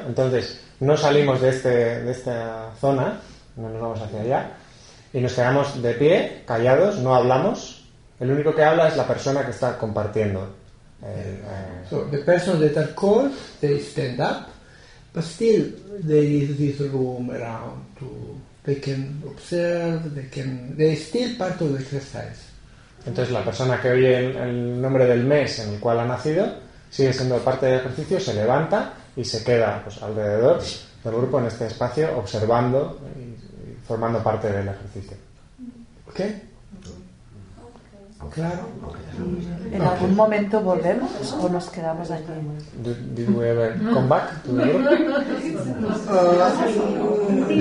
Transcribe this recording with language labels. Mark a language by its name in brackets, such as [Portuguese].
[Spanish] Entonces no salimos de esta zona, no nos vamos hacia allá, y nos quedamos de pie, callados, no hablamos. El único que habla es la persona que está compartiendo. [English] So the person that are called, they stand up, but still there is this room around to they can observe, they can, they're still part of the exercise. [Spanish] Entonces la persona que oye el nombre del mes en el cual ha nacido sigue siendo parte del ejercicio, se levanta y se queda pues alrededor del grupo en este espacio observando y formando parte del ejercicio. ¿Ok? Claro. ¿En algún momento volvemos o nos quedamos allí? [English] Did we ever come back to the group?